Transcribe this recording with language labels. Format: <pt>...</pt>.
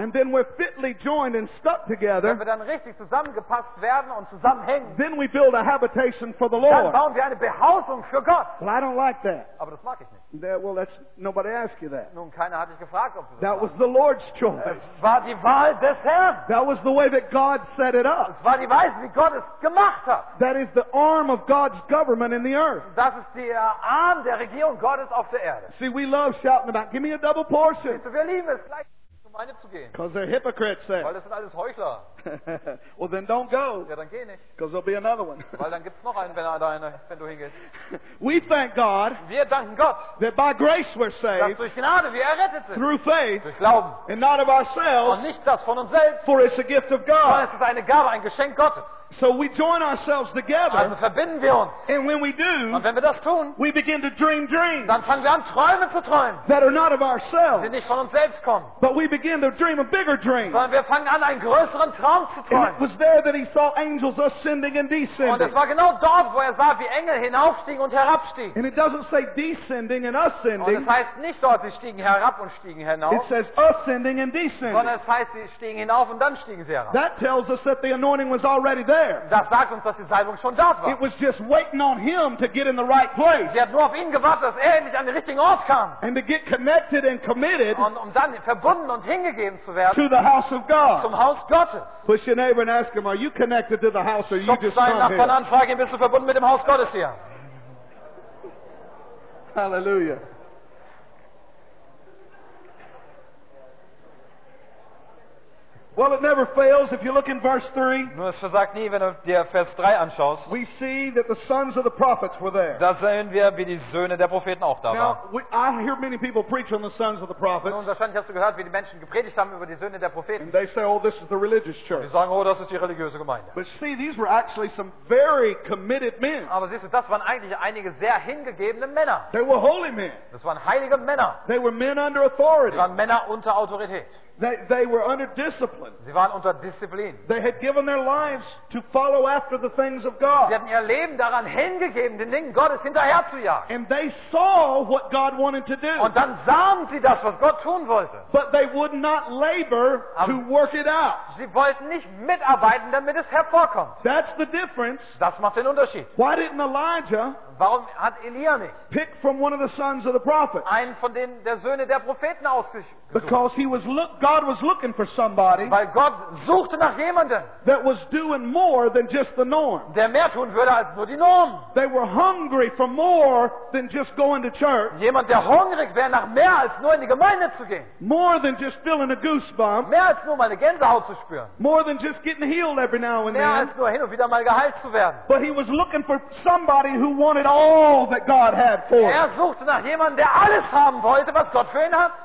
<en>and then we're fitly joined and stuck together,</en> <de>wenn wir dann richtig zusammengepasst werden, werden und zusammenhängen.</de> <en>Then we build a habitation for the Lord.</en> <de>Dann bauen wir eine Behausung für Gott.</de> <en>Well, I don't like that.</en> <de>Aber das mag ich nicht.</de> <en>That's nobody asked you that.</en> <de>Nun, keiner hat dich gefragt, ob du das.</de> <en>That was the Lord's choice.</en> <de>Es war die Wahl des Herrn.</de> <en>That was the way that God set it up.</en> <de>Es war die Weise, wie Gott es gemacht hat.</de> <en>That is the arm of God's government in the earth.</en> <de>Das ist der Arm der Regierung Gottes auf der Erde.</de> <en>See, we love shouting about, give me a double portion.</en> <de>Wir lieben es, gleich zu meine zu gehen.</de> <en>Because they're hypocrites there.</en> <de>Weil das sind alles Heuchler.</de> <en>Well, then don't go.</en> <de>Ja, dann geh nicht.</de> <en>Because there'll be another one.</en> <de>Weil dann gibt's noch einen, wenn du hingehst.</de> <en>We thank God.</en> <de>Wir danken Gott.</de> <en>That by grace we're saved.</en> <de>Dass durch Gnade wir errettet sind.</de> <en>Through faith.</en> <de>Durch Glauben.</de> <en>And not of ourselves.</en> <de>Und nicht das von uns selbst.</de> <en>For it's a gift of God.</en> <de>Weil es ist eine Gabe, ein Geschenk Gottes.</de> <en>So we join ourselves together.</en> <de>Also verbinden wir uns.</de> <en>And when we do,</en> <de>und wenn wir das tun,</de> <en>we begin to dream dreams.</en> <de>Dann fangen wir an, Träume zu träumen.</de> <en>That are not of ourselves.</en> <de>Die nicht von uns selbst kommen.</de> <en>But we begin to dream a bigger dream.</en> <de>Sondern wir fangen an, einen größeren Traum zu träumen.</de> <en>And it was there that he saw angels ascending and descending.</en> <de>Und es war genau dort, wo er sah, wie Engel hinaufstiegen und herabstiegen.</de> <en>And it doesn't say descending and ascending.</en> <de>Und es heißt nicht dort, sie stiegen herab und stiegen hinauf.</de> <en>It says ascending and descending.</en> <de>Sondern es heißt, sie stiegen hinauf und dann stiegen sie herab.</de> <en>That tells us that the anointing was already there.</en> <de>Das sagt uns, dass die Salbung schon dort war.</de> <en>It was just waiting on him to get in the right place.</en> <de>Sie hat nur auf ihn gewartet, dass er endlich an den richtigen Ort kam.</de> <en>And to get connected and committed.</en> <de>Und um dann verbunden und hingegeben zu werden.</de> <en>To the house of God.</en> <de>Zum Haus Gottes.</de> <en>Push your neighbor and ask him, are you connected to the house or you just come here?</en> <de>Schubst deinen Nachbarn an, frag ihn, bist du verbunden mit dem Haus Gottes hier?</de> <en>Hallelujah. Well, it never fails. If you look in verse 3,</en> <de>nur es versagt nie, wenn du dir Vers 3 anschaust,</de> <en>we see that the sons of the prophets were there.</en> <de>Da sehen wir, wie die Söhne der Propheten auch da waren.</de> <en>Now, I hear many people preach on the sons of the prophets.</en> <de>Nun, wahrscheinlich hast du gehört, wie die Menschen gepredigt haben über die Söhne der Propheten.</de> <en>And they say, oh, this is the religious church.</en> <de>Sie sagen, oh, das ist die religiöse Gemeinde.</de> <en>But see, these were actually some very committed men.</en> <de>Aber siehst du, das waren eigentlich einige sehr hingegebene Männer.</de> <en>They were holy men.</en> <de>Das waren heilige Männer.</de> <en>They were men under authority.</en> <de>Sie waren Männer unter Autorität.</de> <en>They were under discipline.</en> <de>Sie waren unter Disziplin.</de> <en>They had given their lives to follow after the things of God.</en> <de>Sie hatten ihr Leben daran hingegeben, den Dingen Gottes hinterher zu jagen.</de> <en>And they saw what God wanted to do.</en> <de>Und dann sahen sie das, was Gott tun wollte.</de> <en>But they would not labor to work it out.</en> <de>Sie wollten nicht mitarbeiten, damit es hervorkommt.</de> <en>That's the difference.</en> <de>Das macht den Unterschied.</de> <en>Why didn't Elijah?</en> <de>Warum hat Elia nicht?</de> <en>Pick from one of the sons of the prophets.</en> <de>Einen von den der Söhne der Propheten ausgesucht.</de> <en>Because God was looking for somebody.</en> <de>Weil Gott suchte nach jemandem.</de> <en>That was doing more than just the norm.</en> <de>Der mehr tun würde als nur die Norm.</de> <en>They were hungry for more than just going to church.</en> <de>Jemand der hungrig wäre nach mehr als nur in die Gemeinde zu gehen.</de> <en>More than just feeling a goosebump.</en> <de>Mehr als nur mal eine Gänsehaut zu spüren.</de> <en>More than just getting healed every now and then.</en> <de>Mehr als nur hin und wieder mal geheilt zu werden.</de> <en>But he was looking for somebody who wanted it all that God had for him.</en> <de>Er suchte nach jemandem, der alles haben wollte, was Gott für ihn hat.</de>